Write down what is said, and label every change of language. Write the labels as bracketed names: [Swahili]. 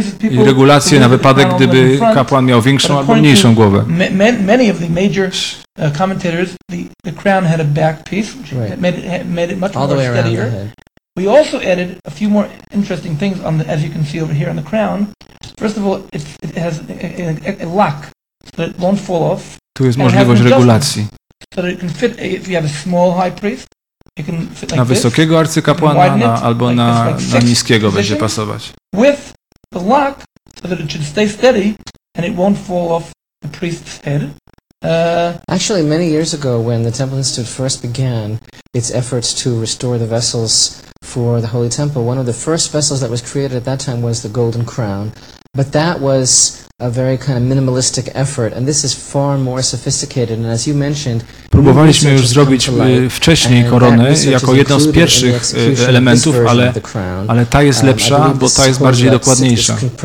[Polish] I regulacje na wypadek, gdyby kapłan miał większą albo mniejszą głowę. [English] Many of the major commentators, the crown had a back piece, which made it much more steadier. We also added a few more interesting things on the, as you can see over here on the crown. First of all, it has a lock, so that it won't fall off. [Polish] Tu jest możliwość regulacji. [English] So that it can fit if you have a small high priest. [Polish] Na wysokiego arcykapłana albo na niskiego będzie pasować. [English] With the lock, so that it should stay steady and it won't fall off the priest's head. Actually, many years ago, when the Temple Institute first began its efforts to restore the vessels for the Holy Temple, one of the first vessels that was created at that time was the Golden Crown. But that was a very kind of minimalistic effort, and this is far more sophisticated. And as you mentioned, [Polish] próbowaliśmy już zrobić wcześniej koronę jako jedną z pierwszych elementów, ale ta jest lepsza, bo ta jest bardziej dokładniejsza.